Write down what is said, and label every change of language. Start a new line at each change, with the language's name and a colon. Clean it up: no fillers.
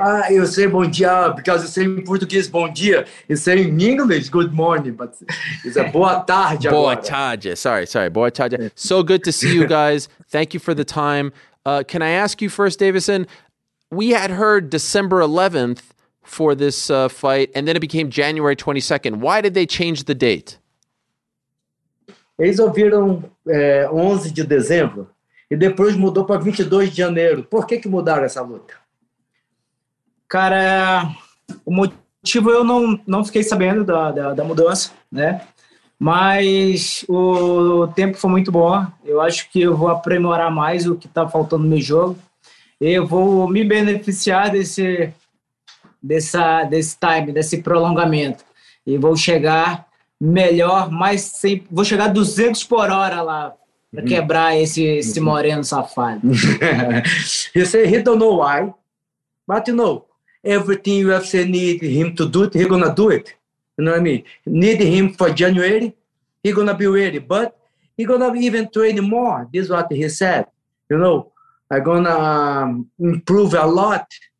English: You say bom dia because you say in Portuguese bom dia. You say in English good morning, but it's a boa tarde.
Portuguese: Boa tarde.
English: So good to see you guys. Thank you for the time. Can I ask you first, Deiveson, we had heard December 11th for this fight, and then it became January 22nd. Why did they change the date?
Portuguese: Eles ouviram 11 de dezembro e depois mudou para 22 de janeiro. Por que que mudaram essa luta? Cara, o motivo eu não fiquei sabendo da mudança, né? Mas o tempo foi muito bom. Eu acho que eu vou aprimorar mais o que está faltando no meu jogo. Eu vou me beneficiar desse time, desse prolongamento. E vou chegar melhor, mas sempre, vou chegar 200 por hora lá para quebrar esse moreno safado.
English: You say he don't know why, but you know, everything UFC need him to do it, he gonna do it. You know what I mean? Need him for January, he gonna be ready, but he gonna even train more. This is what he said. You know, I gonna improve a lot.